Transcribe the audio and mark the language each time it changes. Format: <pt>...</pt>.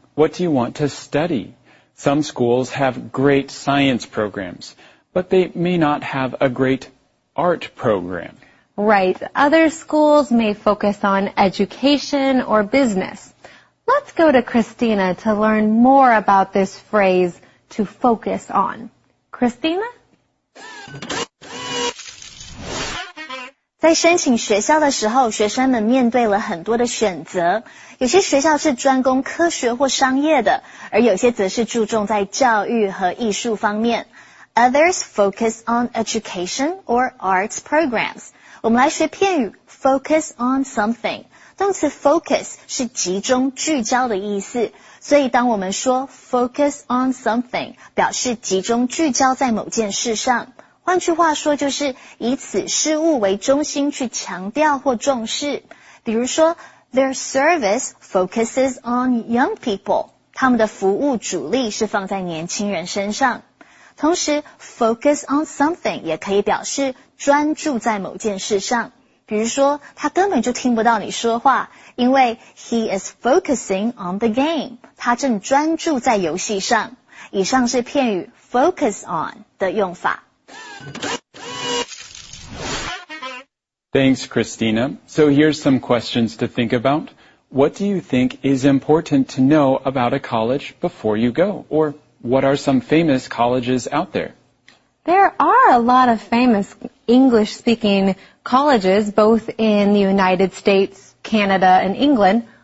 <en>What do you want to study? Some schools have great science programs, but they may not have a great art program. Right. Other schools may focus on education or business. Let's go to Christina to learn more about this phrase, to focus on. Christina?</en> <zh>在申请学校的时候，学生们面对了很多的选择。有些学校是专攻科学或商业的，而有些则是注重在教育和艺术方面。</zh> <en>Others focus on education or arts programs.</en> <zh>我们来学片语 focus on something. 动词 focus 是集中、聚焦的意思。所以当我们说 focus on something, 表示集中、聚焦在某件事上。换句话说就是以此事物为中心去强调或重视。比如说</zh> <en>,their service focuses on young people.</en> <zh>他们的服务主力是放在年轻人身上。同时 ,focus on something 也可以表示专注在某件事上。比如说他根本就听不到你说话因为</zh> <en>he is focusing on the game.</en> <zh>他正专注在游戏上。以上是片语 focus on 的用法。</zh> <en>Thanks, Christina. So here's some questions to think about. What do you think is important to know about a college before you go? Or what are some famous colleges out there? There are a lot of famous English-speaking colleges, both in the United States, Canada, and England.</en>